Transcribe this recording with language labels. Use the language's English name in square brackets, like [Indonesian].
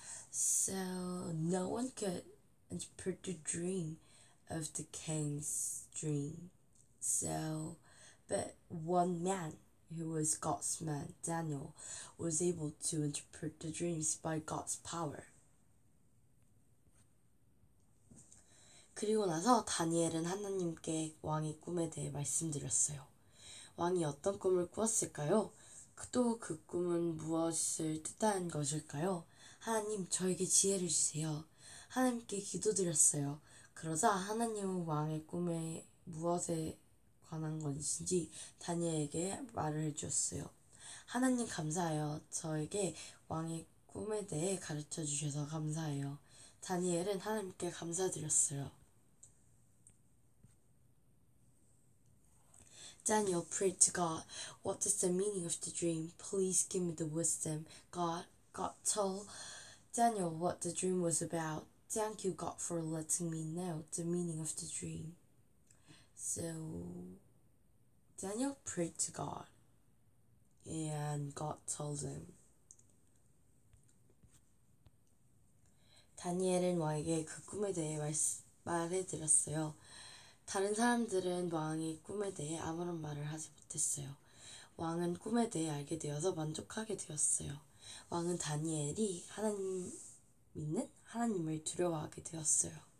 [English] So no one could interpret the dream of the king's dream. So, but one man who was God's man, Daniel, was able to interpret the dreams by God's power. [Korean] 그리고 나서 다니엘은 하나님께 왕의 꿈에 대해 말씀드렸어요. 왕이 어떤 꿈을 꾸었을까요? 또 그 꿈은 무엇을 뜻하는 것일까요? 하나님, 저에게 지혜를 주세요. 하나님께 기도드렸어요. 그러자 하나님은 왕의 꿈에 무엇에 관한 것인지 다니엘에게 말을 해주었어요. 하나님 감사해요. 저에게 왕의 꿈에 대해 가르쳐 주셔서 감사해요. 다니엘은 하나님께 감사드렸어요. [English] Daniel prayed to God, "What is the meaning of the dream? Please give me the wisdom." God told Daniel what the dream was about. Thank you, God, for letting me know the meaning of the dream. So Daniel prayed to God, and God told him. [Korean] 다니엘은 왕에게 그 꿈에 대해 말해드렸어요. 다른 사람들은 왕의 꿈에 대해 아무런 말을 하지 못했어요. 왕은 꿈에 대해 알게 되어서 만족하게 되었어요. 왕은 다니엘이 믿는 하나님을 두려워하게 되었어요.